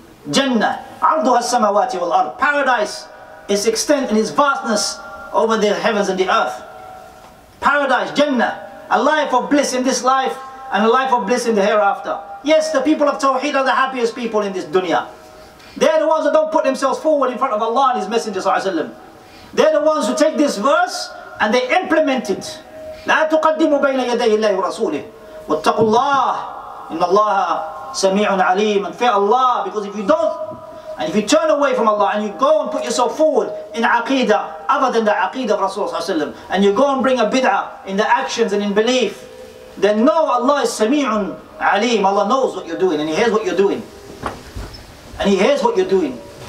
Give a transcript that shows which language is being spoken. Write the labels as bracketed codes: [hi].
[ar] Jannah, عرضها السماوات والأرض. [en] Paradise, its extent and its vastness over the heavens and the earth. Paradise, Jannah, a life of bliss in this life and a life of bliss in the hereafter. Yes, the people of Tawheed are the happiest people in this dunya. They're the ones that don't put themselves forward in front of Allah and His Messenger sallallahu alayhi wa sallam. They're the ones who take this verse and they implement it. [ar] لا تقدموا بين يدي الله ورسوله. واتقوا الله إن الله سميع عليم. [en] And fear Allah, because if you don't, and if you turn away from Allah and you go and put yourself forward in aqeedah other than the aqeedah of Rasulullah sallallahu alayhi wa sallam, and you go and bring a bid'ah in the actions and in belief, then know Allah is [ar] سميع عليم. [en] Allah knows what you're doing and He hears what you're doing. And He hears what you're doing.